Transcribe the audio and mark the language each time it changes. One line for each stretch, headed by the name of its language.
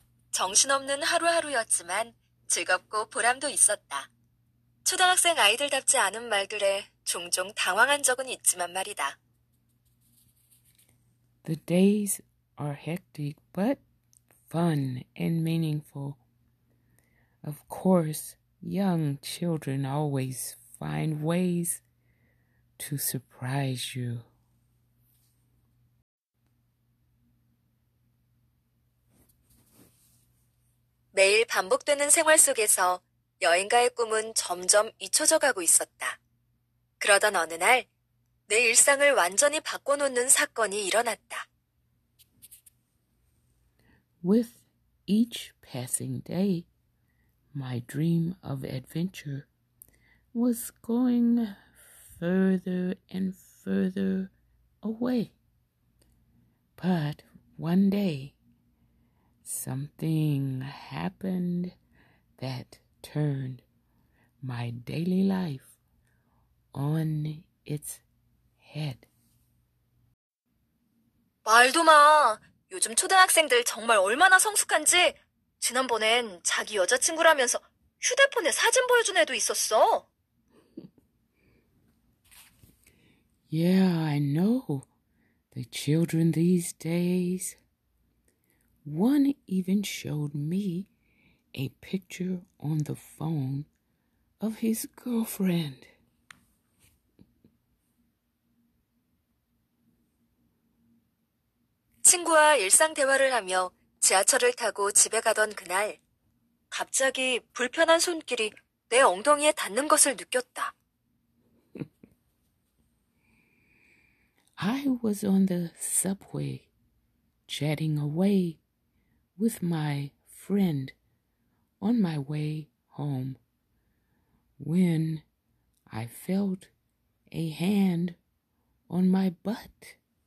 Korean: 정신없는 하루하루였지만 즐겁고 보람도 있었다. 초등학생 아이들답지 않은 말들에 종종 당황한 적은 있지만 말이다.
English: The days are hectic but fun and meaningful. Of course, young children always find ways to surprise you.
Korean: 매일 반복되는 생활 속에서 여행가의 꿈은 점점 잊혀져가고 있었다. 그러던 어느 날, 내 일상을 완전히 바꿔놓는 사건이 일어났다.
English: With each passing day, my dream of adventure was going further and further away. But one day, something happened that turned my daily life on its head.
Korean: 말도 마. 요즘 초등학생들 정말 얼마나 성숙한지. 지난번엔 자기 여자친구라면서 휴대폰에 사진 보여준 애도 있었어.
English: Yeah, I know. The children these days. One even showed me a picture on the phone of his girlfriend.
Korean: 친구와 일상 대화를 하며 지하철을 타고 집에 가던 그날, 갑자기 불편한 손길이 내 엉덩이에 닿는 것을 느꼈다.
English: I was on the subway, chatting away with my friend on my way home, when I felt a hand on my butt.